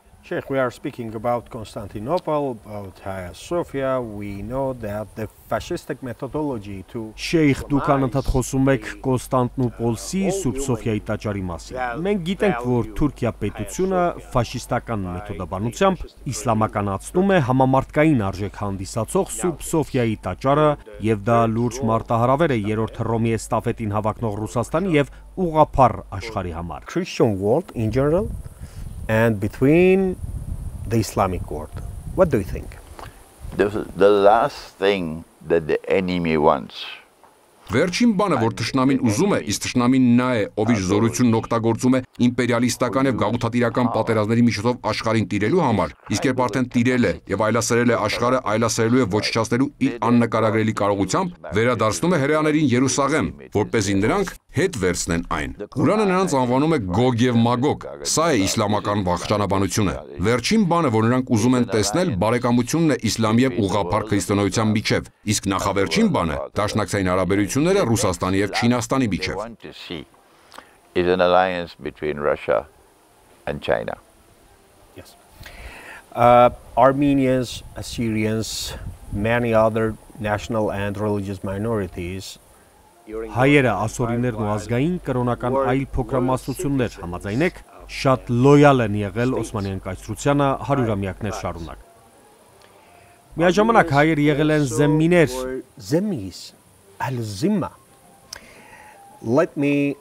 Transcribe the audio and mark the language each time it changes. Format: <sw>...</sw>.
<en>Sheikh, we are speaking about Constantinople, about Hagia Sophia. We know that the fascistic methodology to</en> <hy>Sheikh Dukanat խոսում եք Կոստանդնուպոլսի Սուրբ Սոֆիայի տաճարի մասին։ Մենք գիտենք, որ Թուրքիա պետությունը ֆաշիստական մեթոդաբանությամբ իսլամականացնում է համամարտկային արժեք հանդիսացող Սուրբ Սոֆիայի տաճարը, եւ դա լուրջ մարտահրավեր է 3-րդ Հռոմի էստաֆետին հավակնող Ռուսաստանի եւ ուղափառ աշխարհի համար։</hy> <en>Christian world in general and between the Islamic world. What do you think? The last thing that the enemy wants.</en> <hy>Վերջին բանը, որ թշնամին ուզում է, իսկ թշնամին նա է, ով իր զորությունն օգտագործում է իմպերիալիստական եւ գաղութատիրական պատերազմների միջոցով աշխարհին տիրելու համար, իսկ երբ արդեն տիրել է եւ այլասերել է աշխարհը, այլասերելու է ոչնչացնելու իր աննկարագրելի կարողությամբ, վերադարձնում է հրեաներին Երուսաղեմ, որպեսզի նրանք հետ վերցնեն այն։ Ղուրանը նրանց անվանում է Գոգ եւ Մագոգ, սա է իսլամական վախճանաբանությունը։ Վերջին բանը, որ նրանք ուզում են տեսնել, բարեկամությունն է իսլամ եւ ուղղափառ քրիստոնեության միջեւ, իսկ նախավերջին բանը՝ դաշնակցային հարաբերություն ները Ռուսաստանի եւ Չինաստանի միջեւ։</hy> <en>Is an alliance between Russia and China. Yes. Armenians, Assyrians, many other national and religious minorities.</en> <hy>Հայերը, ասորիներն ու ազգային կրոնական այլ փոքրամասնություններ, համաձայնեք, շատ լոյալ են եղել Օսմանյան կայսրությանը հարյուրամյակներ շարունակ։ Միաժամանակ հայերը եղել են զեմմիներ, զեմմիս Ալզիմա</hy> <en>Let me</en>